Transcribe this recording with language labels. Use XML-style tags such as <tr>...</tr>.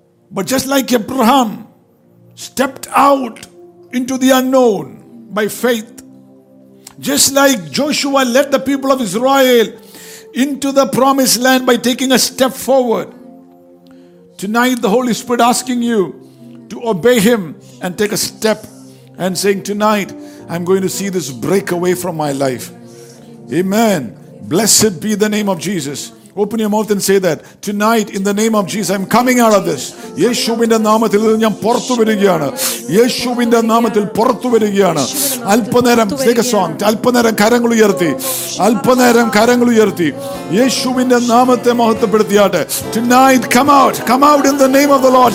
<en>But just like Abraham stepped out into the unknown by faith, just like Joshua led the people of Israel into the promised land by taking a step forward, tonight the Holy Spirit asking you to obey him and take a step and saying, tonight I'm going to see this break away from my life. Amen. Blessed be the name of Jesus. Open your mouth and say that. Tonight, in the name of Jesus, I'm coming out of this.</en> <ml>യേശുവിന്റെ നാമത്തിൽ ഞാൻ പുറത്തു വരികയാണ്. യേശുവിന്റെ നാമത്തിൽ പുറത്തു വരികയാണ്. അല്പനേരം</ml> <en>take a song.</en> <ml>അല്പനേരം കരങ്ങൾ ഉയർത്തി. അല്പനേരം കരങ്ങൾ ഉയർത്തി. യേശുവിന്റെ നാമത്തെ മഹത്വപ്പെടുത്തിയാട്ടെ.</ml> <en>Tonight, come out in the name of the Lord.</en>